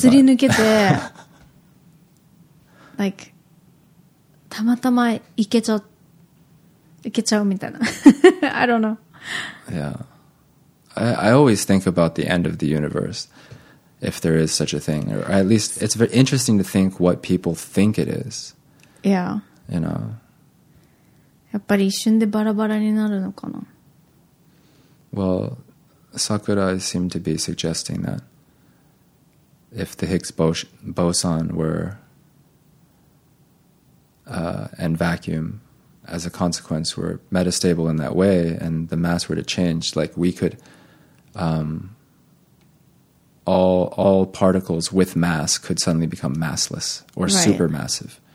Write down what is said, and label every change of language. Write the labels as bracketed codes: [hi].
[ja] すり抜けて like, tamatama いけちゃうみたいな [en] I don't know. Yeah. I always think about the end of the universe, if there is such a thing. Or at least, it's very interesting to think what people think it is. Yeah. You know. [ja] やっぱり一瞬でバラバラになるのかな? [en] Well, Sakurai seemed to be suggesting that if the Higgs boson were and vacuum as a consequence were metastable in that way and the mass were to change, like we could all particles with mass could suddenly become massless or supermassive.